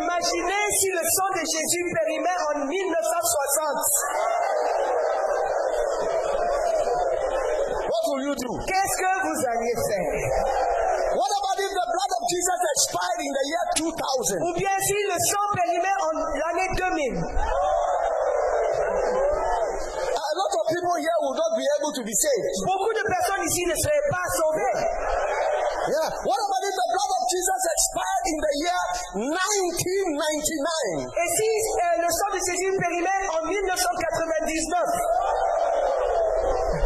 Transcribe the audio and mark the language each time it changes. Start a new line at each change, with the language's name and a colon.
French: Imaginez si le sang de Jésus périmait en 1960.
English: What will you do?
French: Qu'est-ce que vous allez faire?
English: What about if the blood of Jesus expired in the year 2000?
French: Ou bien si le sang périmait en l'année 2000?
English: A lot of people here will not be able to be saved.
French: Beaucoup de personnes ici ne seraient pas sauvées.
English: Yeah. What about if the blood of Jesus expired in the year 1999?
French: Et si le sang de Jésus périmait en 1999?